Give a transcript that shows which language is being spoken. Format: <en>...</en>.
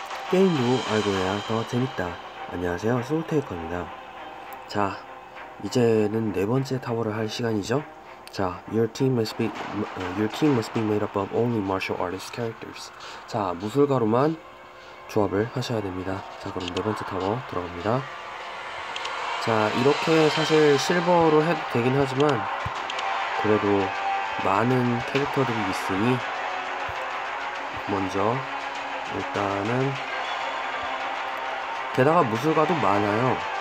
<ko>게임도 알고야 더 재밌다. 안녕하세요, 소울테이커입니다. 자, 이제는 네 번째 타워를 할 시간이죠.</ko> <en>자, your team must be made up of only martial artist characters.</en> <ko>자, 무술가로만 조합을 하셔야 됩니다. 자, 그럼 네 번째 타워 들어갑니다. 자, 이렇게 사실 실버로 해도 되긴 하지만 그래도 많은 캐릭터들이 있으니 먼저 일단은 게다가 무술가도 많아요.</ko>